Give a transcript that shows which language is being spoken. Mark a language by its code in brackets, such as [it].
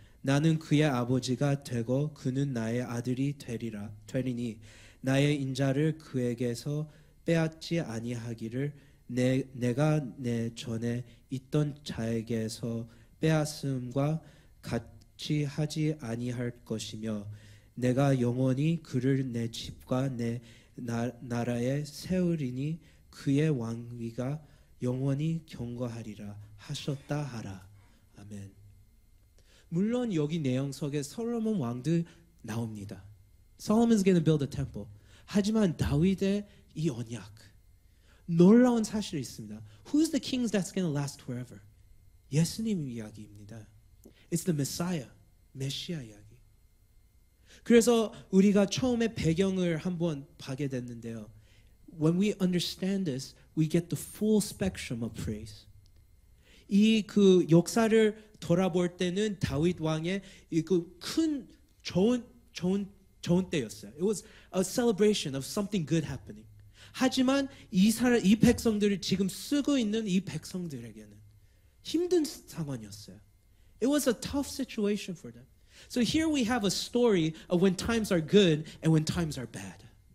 [ko] 나는 그의 아버지가 되고 그는 나의 아들이 되리니 나의 인자를 그에게서 빼앗지 아니하기를 내가 내 전에 있던 자에게서 빼앗음과 같이 하지 아니할 것이며 내가 영원히 그를 내 집과 내 나라에 세우리니 그의 왕위가 영원히 경거하리라 하셨다 하라. 아멘. 물론 여기 내용 속에 솔로몬 왕도 나옵니다. [en] Solomon's going to build a temple. [ko] 하지만 다윗의 이 언약, 놀라운 사실이 있습니다. [en] Who's the king that's going to last forever? [ko] 예수님 이야기입니다. [en] It's the Messiah, [ko] 메시아 이야기. 그래서 우리가 처음에 배경을 한번 보게 됐는데요. [en] When we understand this, we get the full spectrum of praise. [ko] 이 그 역사를 돌아볼 때는 다윗 왕의 그 큰 좋은 때였어요. [en] It was a celebration of something good happening. [ko] 하지만 이 백성들을 지금 쓰고 있는 이 백성들에게는 힘든 상황이었어요. [en] It was a tough situation for them. So here we have a story of when times are good and when times are bad.